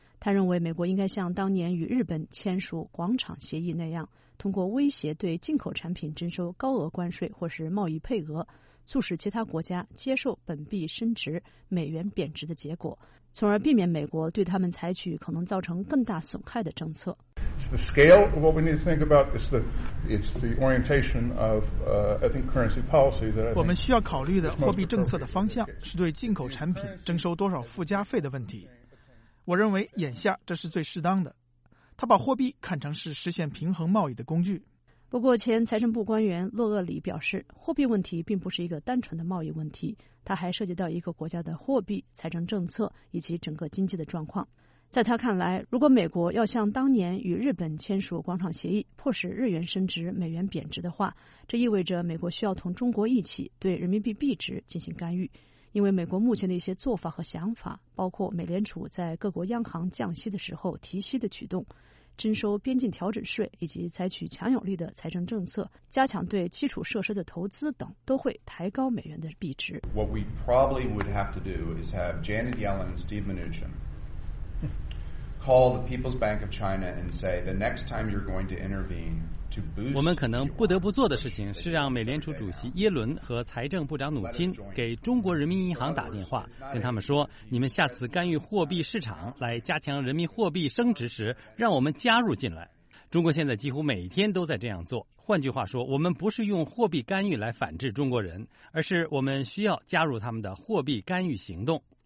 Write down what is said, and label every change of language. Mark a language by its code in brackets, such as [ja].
[zh] 他认为，美国应该像当年与日本签署广场协议那样，通过威胁对进口产品征收高额关税或是贸易配额，促使其他国家接受本币升值、美元贬值的结果，从而避免美国对他们采取可能造成更大损害的政策。 [en] It's the scale of what we need to think about. It's the orientation of, I think, currency policy that. [zh] 我们需要考虑的货币政策的方向是对进口产品征收多少附加费的问题。我认为眼下这是最适当的。他把货币看成是实现平衡贸易的工具。不过，前财政部官员洛厄里表示，货币问题并不是一个单纯的贸易问题，它还涉及到一个国家的货币、财政政策以及整个经济的状况。在他看来，如果美国要像当年与日本签署广场协议，迫使日元升值、美元贬值的话，这意味着美国需要同中国一起对人民币币值进行干预，因为美国目前的一些做法和想法，包括美联储在各国央行降息的时候提息的举动、征收边境调整税以及采取强有力的财政政策、加强对基础设施的投资等，都会抬高美元的币值。 [en] What we probably would have to do is have Janet Yellen and Steve Mnuchin call the People's Bank of China and say the next time you're going to intervene to boost. [zh] 我们可能不得不做的事情是让美联储主席耶伦和财政部长努钦给中国人民银行打电话，跟他们说，你们下次干预货币市场来加强人民货币升值时，让我们加入进来。中国现在几乎每天都在这样做。换句话说，我们不是用货币干预来反制中国人，而是我们需要加入他们的货币干预行动。